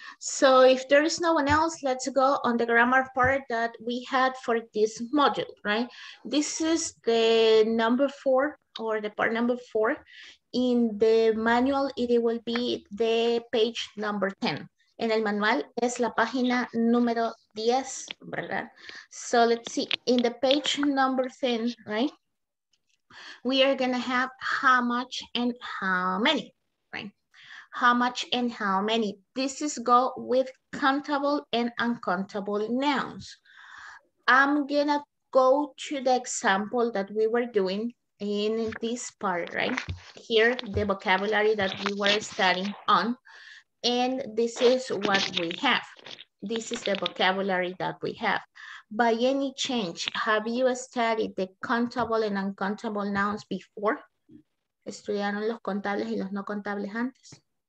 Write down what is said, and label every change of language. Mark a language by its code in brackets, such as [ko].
[en] So if there is no one else, let's go on the grammar part that we had for this module, right? This is the number four, or the part number four in the manual. It will be the page number 10. [es] En el manual es la página número 10, ¿verdad? [en] So let's see, in the page number 10, right? We are gonna have how much and how many, right? How much and how many. This is go with countable and uncountable nouns. I'm gonna go to the example that we were doing in this part, right? Here, the vocabulary that we were studying on. And this is what we have. This is the vocabulary that we have. By any chance, have you studied the countable and uncountable nouns before? [es] ¿Estudiaron los contables y los no contables antes?